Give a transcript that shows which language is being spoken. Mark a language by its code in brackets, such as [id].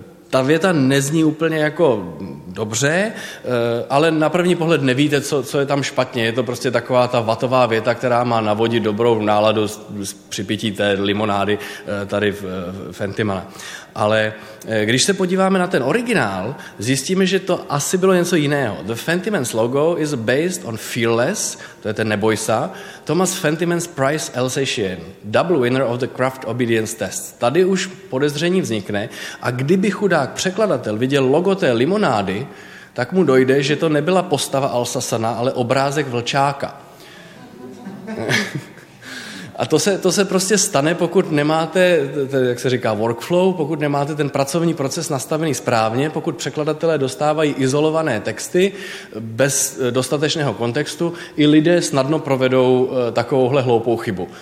[cs] Ta věta nezní úplně jako dobře, ale na první pohled nevíte, co je tam špatně. Je to prostě taková ta vatová věta, která má navodit dobrou náladu z připití té limonády tady v Fentimana. Ale když se podíváme na ten originál, zjistíme, že to asi bylo něco jiného. [en] The Fentiman's logo is based on Fearless, [cs] to je ten Neboj sa, [en] Thomas Fentiman's Prize Alsatian, double winner of the Craft Obedience Test. [cs] Tady už podezření vznikne a kdyby chudák překladatel viděl logo té limonády, tak mu dojde, že to nebyla postava Alsasana, ale obrázek vlčáka. A to se prostě stane, pokud nemáte, jak se říká, workflow, pokud nemáte ten pracovní proces nastavený správně, pokud překladatelé dostávají izolované texty bez dostatečného kontextu, i lidé snadno provedou takovouhle hloupou chybu.